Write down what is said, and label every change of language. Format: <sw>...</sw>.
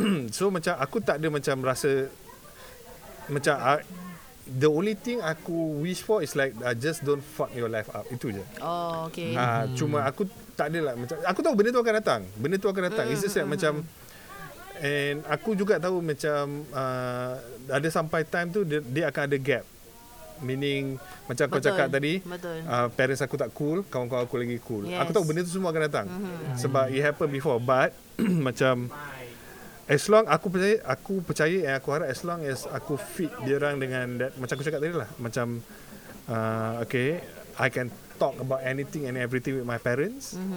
<en>So</en> <ms>macam aku tak ada macam rasa macam</ms> <en>the only thing aku wish for is like just don't fuck your life up.</en> <ms>Itu je.</ms> <en>Oh, okay.</en> <ms>Cuma aku tak adalah macam, aku tahu benda tu akan datang. Benda tu akan datang.</ms> <en>It's just like</en> <ms>macam, and aku juga tahu macam ada sampai time tu dia akan ada gap. Meaning macam kau cakap tadi, parents aku tak cool, kawan-kawan aku lagi cool. Yes. Aku tahu benda tu semua akan datang.</ms> <en>Sebab it happened before. But macam as long aku percaya, aku percaya and aku harap as long as aku fit diorang dengan that,</en> <ms>macam aku cakap tadi lah,</ms> <en>macam okay, I can talk about anything and everything with my parents.</en>